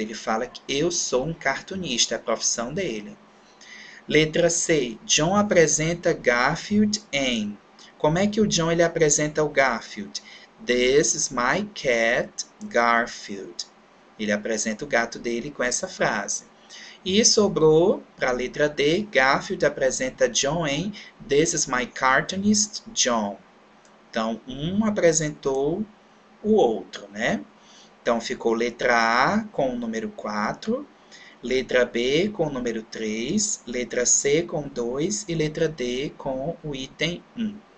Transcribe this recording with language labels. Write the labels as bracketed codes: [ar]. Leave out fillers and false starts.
[pt] Ele fala que eu sou um cartunista, é a profissão dele. Letra C. John apresenta Garfield em. Como é que o John ele apresenta o Garfield? [en] This is my cat, Garfield. [pt] Ele apresenta o gato dele com essa frase. E sobrou para a letra D. Garfield apresenta John em. [en] This is my cartoonist, John. [pt] Então, um apresentou o outro, né? Então, ficou letra A com o número 4. Letra B com o número 3, letra C com 2 e letra D com o item 1.